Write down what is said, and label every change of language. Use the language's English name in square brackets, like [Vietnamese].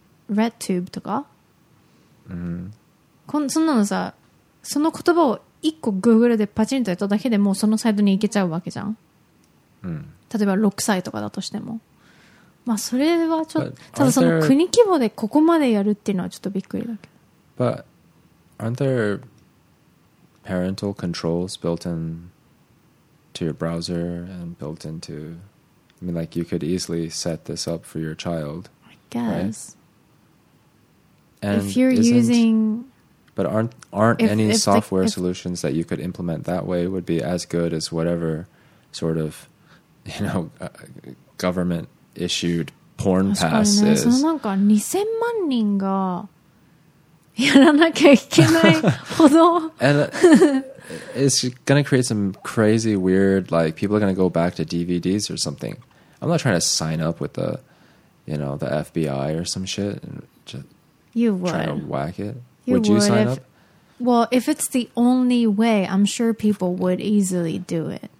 [Japanese] RedTube とか、そんなのさ、その言葉を一個 Google でパチンとやっただけでもうそのサイトに行けちゃうわけじゃん、例えば6歳とかだとしても、まあ、それはちょっと、ただその国規模でここまでやるっていうのはちょっとびっくりだけど。 [English] But aren't there parental controls built in to your browser and built into? I mean, like you could easily set this up for your child. I guess. Right? And if you're using, but aren't if, any if, software if, solutions if, that you could implement that way would be as good as whatever sort of, you know, government. Issued porn passes. [Japanese] 確かにね、そのなんか2000万人がやらなきゃいけないほど。 [English] And it's going to create some crazy weird, like people are going to go back to DVDs or something. I'm not trying to sign up with the, you know, the FBI or some shit. And just you would. Trying to whack it. Would you sign up? Well, if it's the only way, I'm sure people would easily do it.